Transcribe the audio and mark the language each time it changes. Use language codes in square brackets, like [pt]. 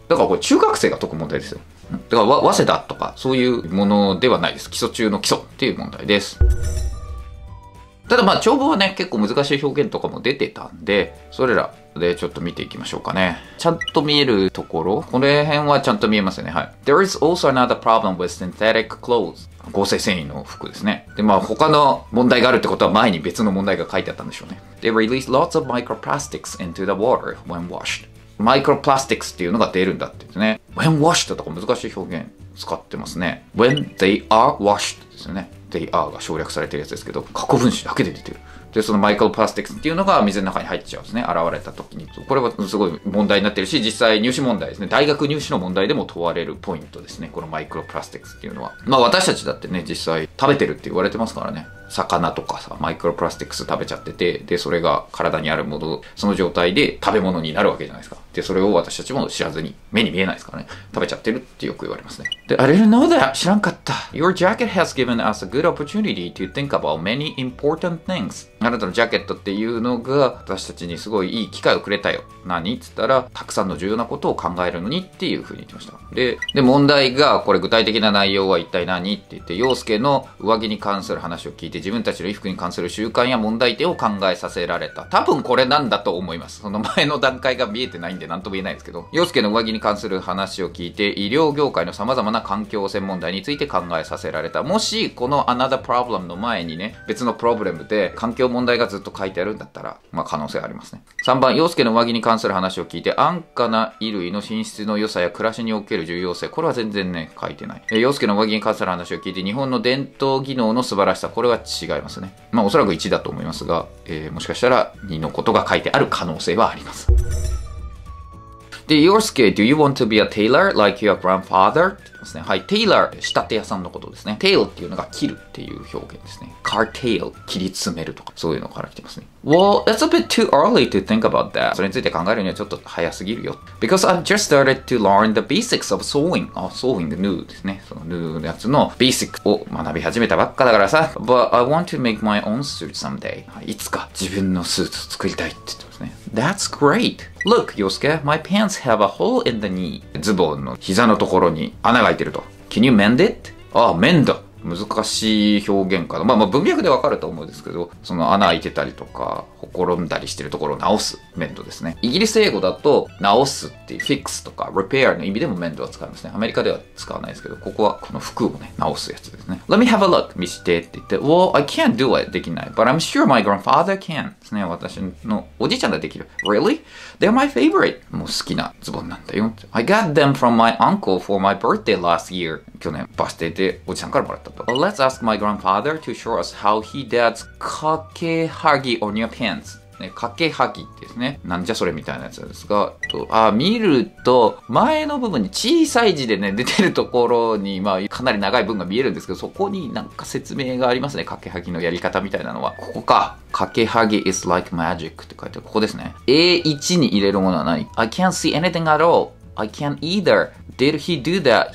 [ja] だからこれ中学生が解く問題ですよ。だから早稲田とかそういうものではないです。基礎中の基礎っていう問題です。ただまあ長文はね結構難しい表現とかも出てたんで、それらでちょっと見ていきましょうかね。ちゃんと見えるところ、この辺はちゃんと見えますよね。はい。 [en] There is also another problem with synthetic clothes. [ja] 合成繊維の服ですね。で、まあ他の問題があるってことは前に別の問題が書いてあったんでしょうね。 [en] They release lots of microplastics into the water when washed. [ja] マイクロプラスティックスっていうのが出るんだって言ってね。 [en] When washed [ja] とか難しい表現使ってますね。 [en] When they are washed [ja] ですよね。 [en] They are [ja] が省略されてるやつですけど、過去分詞だけで出てる。で、そのマイクロプラスティックスっていうのが水の中に入っちゃうんですね。現れた時に。これはすごい問題になってるし、実際入試問題ですね。大学入試の問題でも問われるポイントですね。このマイクロプラスティックスっていうのは。まあ私たちだってね、実際食べてるって言われてますからね。魚とかさ、マイクロプラスティックス食べちゃってて、で、それが体にあるもの、その状態で食べ物になるわけじゃないですか。で、それを私たちも知らずに、目に見えないですからね。食べちゃってるってよく言われますね。 [en] で、I didn't know that! [ja] 知らんかった。 [en] Your jacket has given us a good opportunity to think about many important things. [ja] あなたのジャケットっていうのが、私たちにすごいいい機会をくれたよ。何って言ったら、たくさんの重要なことを考えるのにっていうふうに言ってました。で、問題が、これ具体的な内容は一体何って言って、陽介の上着に関する話を聞いて、自分たちの衣服に関する習慣や問題点を考えさせられた。多分これなんだと思います。その前の段階が見えてないんで何とも言えないですけど、陽介の上着に関する話を聞いて医療業界の様々な環境汚染問題について考えさせられた。もしこの [en] another problem [ja] の前にね、別のプロブレムで環境問題がずっと書いてあるんだったら、まあ可能性ありますね。 3番、陽介の上着に関する話を聞いて安価な衣類の品質の良さや暮らしにおける重要性、これは全然ね書いてない。陽介の上着に関する話を聞いて日本の伝統技能の素晴らしさ、これは違いますね。まあおそらく1だと思いますが、もしかしたら2のことが書いてある可能性はあります。 [en] で、Yosuke, do you want to be a tailor like your grandfather? [ja] ですね。はい。Tailor, 仕立て屋さんのことですね。 Tail っていうのが切るっていう表現ですね。 Cartail, 切り詰めるとか、そういうのから来てますね。 [en] Well, it's a bit too early to think about that. [ja] それについて考えるにはちょっと早すぎるよ。 [en] Because I've just started to learn the basics of sewing. [ja] あ、 [en] sewing the new [ja] ですね。その new のやつの basic を学び始めたばっかだからさ。 [en] But I want to make my own suit someday. [ja] いつか自分のスーツ作りたいって言ってますね。 [en] That's great. Look, Yosuke, my pants have a hole in the knee. [ja] ズボンの膝のところに穴が開いてると。 [en] Can you mend it? あ、mend. [ja] 難しい表現かな。まあまあ文脈でわかると思うんですけど、その穴開いてたりとか、ほころんだりしてるところを直す、メンドですね。イギリス英語だと、直すっていう、フィックスとか、リペアの意味でもメンドは使いますね。アメリカでは使わないですけど、ここはこの服をね、直すやつですね。 [en] Let me have a look! [ja] 見せてって言って、 [en] Well, I can't do it! [ja] できない。 [en] But I'm sure my grandfather can! ですね。 [ja] 私のおじいちゃんができる。 [en] Really? They're my favorite! [ja] もう好きなズボンなんだよ。 [en] I got them from my uncle for my birthday last year. [ja] 去年、バースデーでおじいちゃんからもらった。 [en] Let's ask my grandfather to show us how he does かけはぎ on your pants、 [ja] ね、かけはぎですね。なんじゃそれみたいなやつですが、あ、見ると前の部分に小さい字でね出てるところに、まあ、かなり長い文が見えるんですけど、そこになんか説明がありますね。かけはぎのやり方みたいなのはここか。 [en] かけはぎ is like magic [ja] って書いてある。ここですね。A1 に入れるものは何。 [en] I can't see anything at all. I can't either. Did he do that?